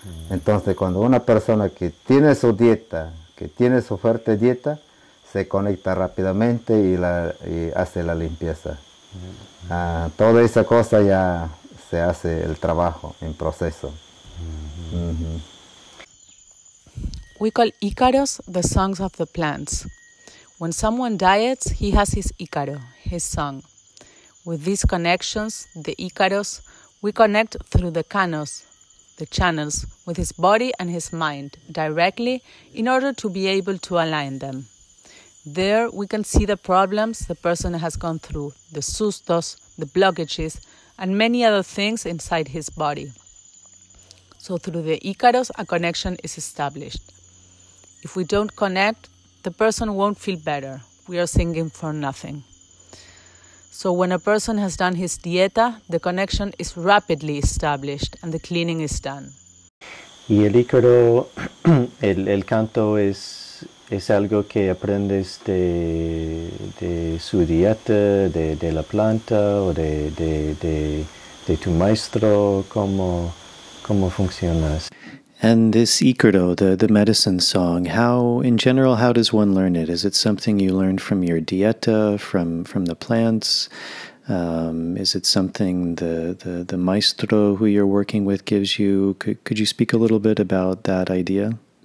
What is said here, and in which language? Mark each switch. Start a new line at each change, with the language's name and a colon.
Spanish: Entonces cuando una persona que tiene su dieta, que tiene su fuerte dieta, se conecta rápidamente y hace la limpieza. Toda esa cosa ya se hace el trabajo en proceso.
English: We call Ícaros the songs of the plants. When someone diets, he has his Ícaro, his song. With these connections, the Ícaros, we connect through the canos, the channels, with his body and his mind directly in order to be able to align them. There we can see the problems the person has gone through, the sustos, the blockages, and many other things inside his body. So through the Ícaros, a connection is established. If we don't connect, the person won't feel better. We are singing for nothing. So when a person has done his dieta, the connection is rapidly established and the cleaning is done.
Spanish: Y el Ícaro, el canto es algo que aprendes de su dieta, de la planta o de tu maestro, cómo funcionas.
English: And this Ícaro, the medicine song, how does one learn it? Is it something you learned from your dieta, from the plants? Is it something the maestro who you're working with gives you? Could you speak a little bit about that idea?